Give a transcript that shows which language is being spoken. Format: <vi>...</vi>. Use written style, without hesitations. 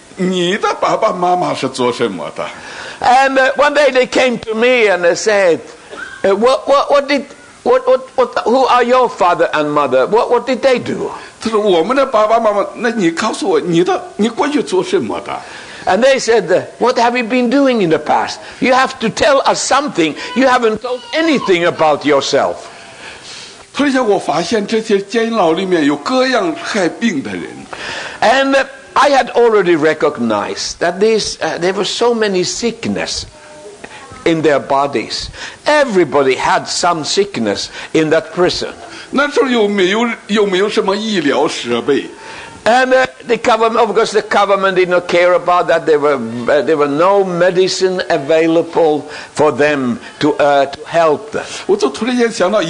<zh>那时间久了，就大家都开始说：“哇，天上人，你的爸爸妈妈是做什么的？”</zh> <en>And one day they came to me and they said, "What did?" What? Who are your father and mother? What did they do?</en> <zh>他说我们的爸爸妈妈, 那你告诉我, 你的, 你过去做什么的?</zh> <en>And they said, what have you been doing in the past? You have to tell us something. You haven't told anything about yourself.</en> <zh>他说我发现这些监牢里面有各样害病的人。</zh> <en>And I had already recognized that there were so many sickness in their bodies. Everybody had some sickness in that prison.</en> <zh>那时候有没有什么医疗设备?</zh> <en>And the government, of course, the government did not care about that. There were no medicine available for them to help them.</en>